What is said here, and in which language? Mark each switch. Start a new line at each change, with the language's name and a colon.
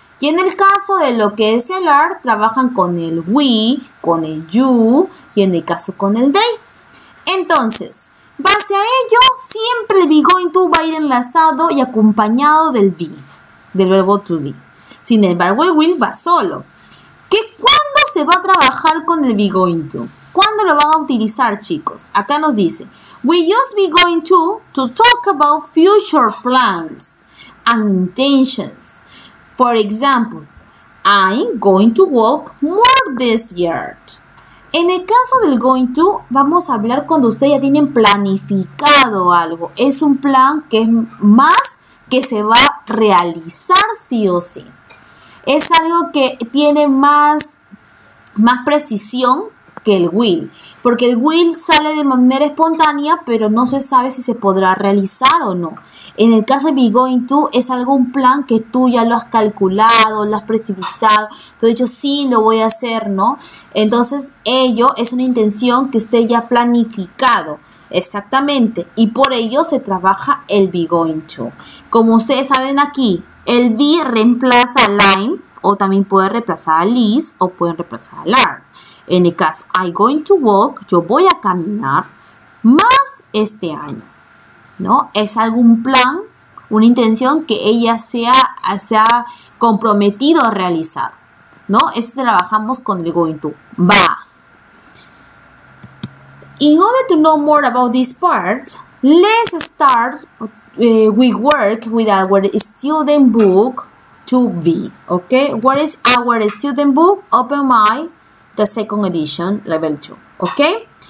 Spanish: Y en el caso de lo que es el are, trabajan con el we, con el you y en el caso con el they. Entonces, base a ello, siempre el be going to va a ir enlazado y acompañado del be, del verbo to be. Sin embargo, el will va solo. ¿Qué, cuándo se va a trabajar con el be going to? ¿Cuándo lo van a utilizar, chicos? Acá nos dice,
English: we just be going to talk about future plans and intentions. For example, I'm going to walk more this year.
Spanish: En el caso del going to, vamos a hablar cuando ustedes ya tienen planificado algo. Es un plan que es más que se va a realizar sí o sí. Es algo que tiene más precisión que el will. Porque el will sale de manera espontánea, pero no se sabe si se podrá realizar o no. En el caso de be going to, es algo, un plan que tú ya lo has calculado, lo has precipitado, tú has dicho, sí, lo voy a hacer, ¿no? Entonces, ello es una intención que usted ya ha planificado, exactamente. Y por ello se trabaja el be going to. Como ustedes saben aquí, el be reemplaza al I'm, o también puede reemplazar al is, o puede reemplazar al are. En el caso,
English: I'm going to walk,
Spanish: yo voy a caminar más este año, ¿no? Es algún plan, una intención que ella se ha comprometido a realizar, ¿no? Eso trabajamos con el going to. Va.
English: In order to know more about this part, let's start with work with our student book to be, ¿ok? What is our student book? Open my the second edition, level 2. Okay?